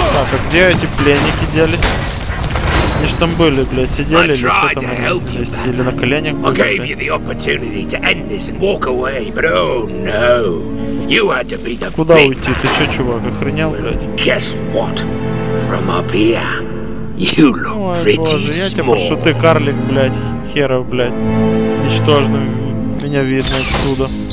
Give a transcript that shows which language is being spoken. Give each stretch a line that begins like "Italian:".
Russian: Так, где эти пленники делись? Они же там были, блядь, сидели или что там? Или на коленях были? Я дал тебе возможность закончить это и уйти, но о, нет! Ты должен быть... Куда уйти? Ты чё, чувак, охренел, блядь?
English: Guess what? From up here, you look pretty small.
Russian: Я типа, что ты карлик, блядь, херов, блядь. Ничтожно, меня видно отсюда.